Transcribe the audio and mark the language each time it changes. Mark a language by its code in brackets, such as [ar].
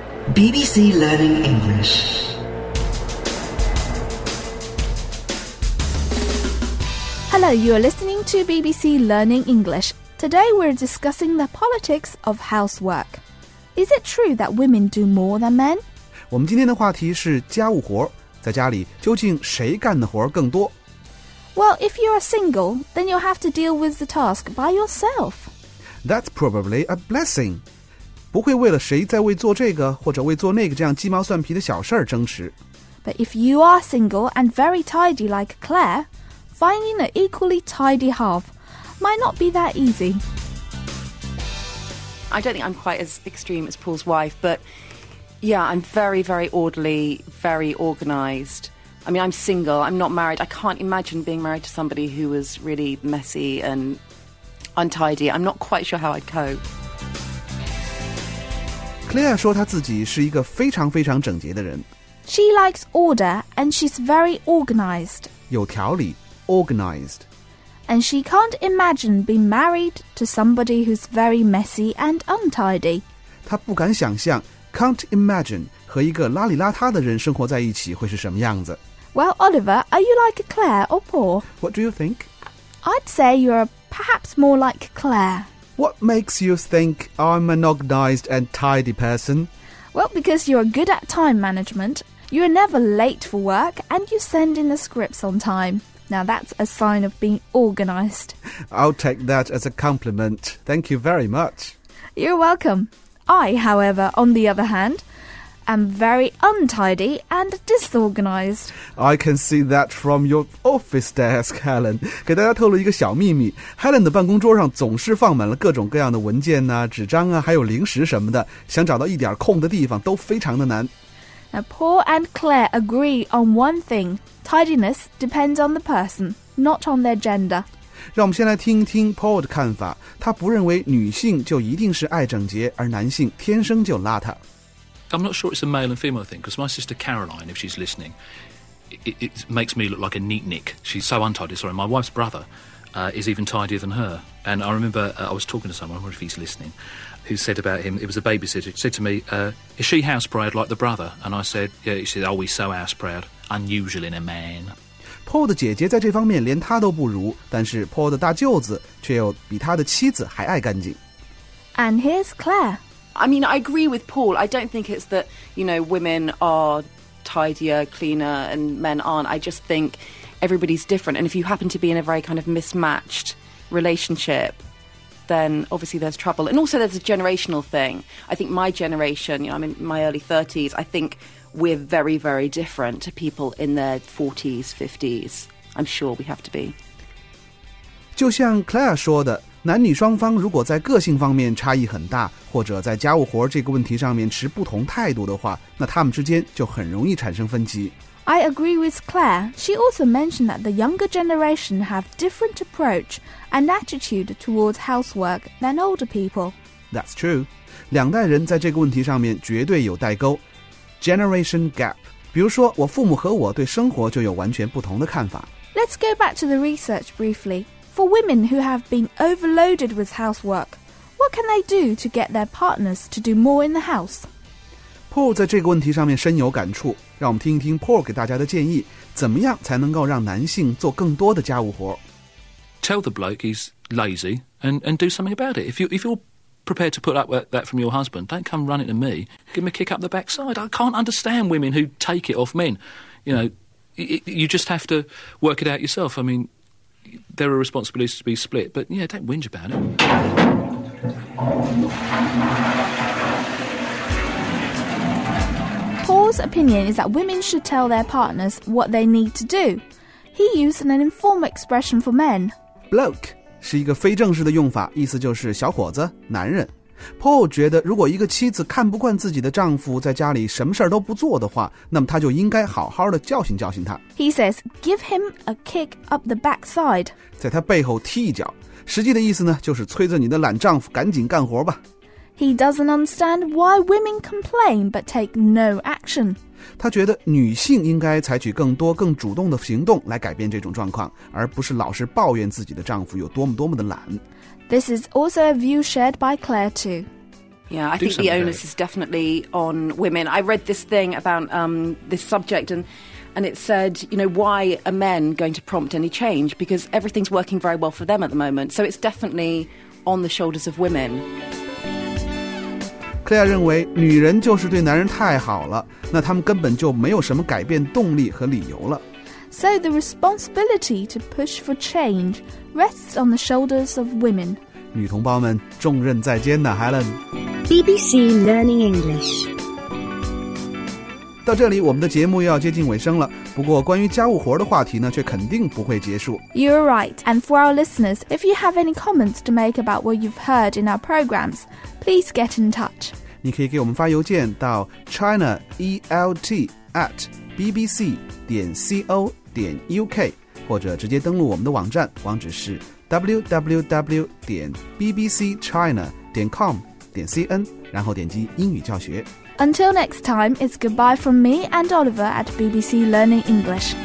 [en] BBC Learning English. Hello, you're listening to BBC Learning English. Today we're discussing the politics of housework. Is it true that women do more than men? [zh] 我们今天的话题是家务活，在家里究竟谁干的活更多？ [en] Well, if you're single, then you'll have to deal with the task by yourself. That's probably a blessing. [zh] 不会为了谁在为做这个或者为做那个这样鸡毛蒜皮的小事儿争执。 [en] But if you are single and very tidy like Claire, finding an equally tidy half might not be that easy. I don't think I'm quite as extreme as Paul's wife, but yeah, I'm very, very orderly, very organized. I mean, I'm single, I'm not married. I can't imagine being married to somebody who was really messy and untidy. I'm not quite sure how I'd cope. [zh] Claire 说她自己是一个非常非常整洁的人。 [en] She likes order and she's very organized. [zh] 有条理 ,organized. [en] And she can't imagine being married to somebody who's very messy and untidy. [zh] 她不敢想象 , [en] can't imagine [zh] 和一个邋里邋遢的人生活在一起会是什么样子。 [en] Well, Oliver, are you like Claire or Paul? What do you think? I'd say you're perhaps more like Claire. What makes you think I'm an organized and tidy person? Well, because you're good at time management, you're never late for work, and you send in the scripts on time. Now that's a sign of being organized. I'll take that as a compliment. Thank you very much. You're welcome. I, however, on the other hand, am very untidy and disorganized. I can see that from your office desk, Helen. [zh] 给大家透露一个小秘密， Helen 的办公桌上总是放满了各种各样的文件啊，纸张啊，还有零食什么的，想找到一点空的地方都非常的难。 [en] Now, Paul and Claire agree on one thing. Tidiness depends on the person, not on their gender. [zh] 让我们先来听一听 Paul 的看法。他不认为女性就一定是爱整洁，而男性天生就邋遢。 [en] I'm not sure it's a male and female thing, because my sister Caroline, if she's listening, it makes me look like a neatnik. She's so untidy, sorry. My wife's brother, is even tidier than her. And I remember, I was talking to someone, I wonder if he's listening, who said about him, it was a babysitter, she said to me, is she house proud like the brother? And I said, yeah, she said, oh, he's so house proud, unusual in a man. [zh] Paul 的姐姐在这方面连他都不如，但是 Paul 的大舅子却又比他的妻子还爱干净。 [en] And here's Claire. I mean, I agree with Paul. I don't think it's that, you know, women are tidier, cleaner, and men aren't. I just think everybody's different. And if you happen to be in a very kind of mismatched relationship, then obviously there's trouble. And also there's a generational thing. I think my generation, you know, I'm in my early 30s, I think we're very, very different to people in their 40s, 50s. I'm sure we have to be. [zh] 就像 Claire 说的，男女双方如果在个性方面差异很大，或者在家务活这个问题上面持不同态度的话，那他们之间就很容易产生分歧。 [en] I agree with Claire. She also mentioned that the younger generation have different approach and attitude towards housework than older people. That's true. [zh] 两代人在这个问题上面绝对有代沟。 [en] Generation gap. [zh] 比如说我父母和我对生活就有完全不同的看法。 [en] Let's go back to the research briefly. For women who have been overloaded with housework, what can they do to get their partners to do more in the house? [zh] Paul 在这个问题上面深有感触，让我们听一听 Paul 给大家的建议，怎么样才能够让男性做更多的家务活。 [en] Tell the bloke he's lazy and do something about it. If you're prepared to put up with that from your husband, don't come running to me. Give him a kick up the backside. I can't understand women who take it off men. You know, you just have to work it out yourself. I mean, there are responsibilities to be split, but yeah, don't whinge about it. Paul's opinion is that women should tell their partners what they need to do. He used an informal expression for men. [zh] Bloke 是一个非正式的用法，意思就是小伙子、男人。 Paul 觉得如果一个妻子看不惯自己的丈夫在家里什么事都不做的话，那么她就应该好好的教训教训他。 [en] He says, give him a kick up the backside. [zh] 在他背后踢一脚。实际的意思呢，就是催着你的懒丈夫赶紧干活吧。 [en] He doesn't understand why women complain but take no action. [zh] 他觉得女性应该采取更多更主动的行动来改变这种状况，而不是老是抱怨自己的丈夫有多么多么的懒。 [en] This is also a view shared by Claire too. Yeah, I think the onus is definitely on women. I read this thing about this subject and it said, you know, why are men going to prompt any change? Because everything's working very well for them at the moment. So it's definitely on the shoulders of women. [zh] Claire 认为女人就是对男人太好了，那他们根本就没有什么改变动力和理由了。 [en] So the responsibility to push for change rests on the shoulders of women. [zh] 女同胞们，重任在肩呢 Helen. [en] BBC Learning English. [zh] 到这里我们的节目要接近尾声了，不过关于家务活的话题呢却肯定不会结束。 [en] You're right. And for our listeners, if you have any comments to make about what you've heard in our programs, please get in touch. [zh] 你可以给我们发邮件到 chinaelt@bbc.co.uk 或者直接登录我们的网站，网址是 www.bbcchina.com.cn 然后点击英语教学。 [en] Until next time, it's goodbye from me and Oliver at BBC Learning English.